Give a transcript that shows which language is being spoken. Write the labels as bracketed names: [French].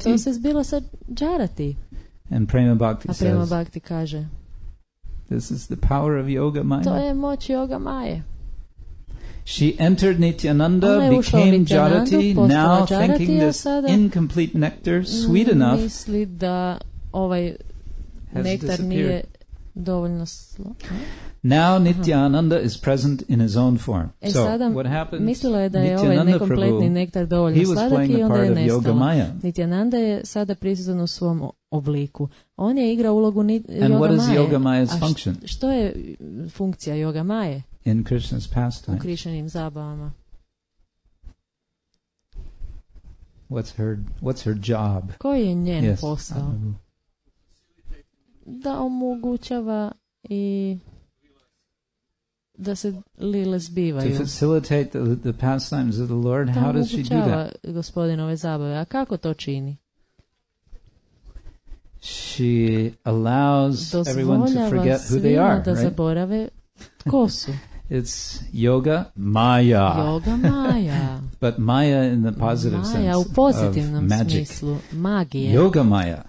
[Croatian] Što se zbilo sa Jarati? [English] And Prema Bhakti [Croatian] a Prema [English] says, [Croatian] Bhakti kaže, [English] This is the power of Yoga Maya. [Croatian] To je moć Yoga Maya. [English] She entered Nityananda, became Jarati, now thinking this incomplete nectar sweet enough. [Croatian] Misli da ovaj nektar nije dovoljno slo. [English] Now Nityananda is present in his own form. So what happened? [Croatian] Mislila je da je ovaj nekompletni nektar dovoljno sladak i onda je nestao. Nityananda je sada prisutan u svom obliku. On je igrao ulogu Yoga Maya. Što je funkcija Yoga Maya? [English] In Krishna's pastime. [Croatian] U Krišanim zabavama. [English] What's her job? [Croatian] Koji je njen posao? Da omogućava i da se lile zbivaju. [English] To facilitate the pastimes of the Lord, how does she do that? [Croatian] Omogućava gospodinove zabave, a kako to čini? [English] She allows everyone to forget who they are, [Croatian] da zaborave tko su. [English] It's Yoga Maya. [Croatian] Yoga Maya. [English] But Maya in the positive [Croatian] Maya, [English] sense. [Croatian] U pozitivnom [English] of magic. [Croatian] Smislu, magije. Yoga Maya.